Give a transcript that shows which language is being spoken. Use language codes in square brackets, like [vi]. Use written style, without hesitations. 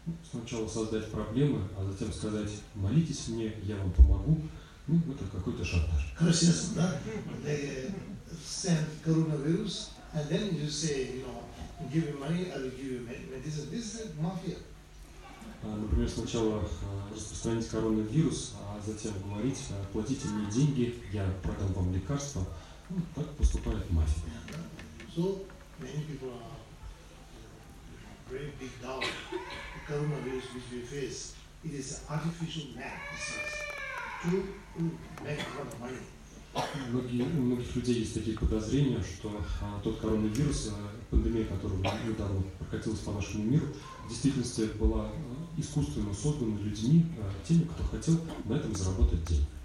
[ru] Сначала создать проблемы, а затем сказать молитесь мне, я вам помогу. Ну, это какой-то шантаж. Красиво, да? [en] They send coronavirus, and then you say, give me money, I will give you medicine. This is a mafia. [ru] Например, сначала распространить коронавирус, а затем говорить, платите мне деньги, я продам вам лекарства. Ну, так поступает мафия. [en] So many people are very big doubt. The coronavirus which we face, it is an artificial madness to make a lot of money. [ru] У многих людей есть такие подозрения, что тот коронавирус, пандемия, которая недавно прокатилась по нашему миру, в действительности была искусственно создана людьми, теми, кто хотел на этом заработать деньги.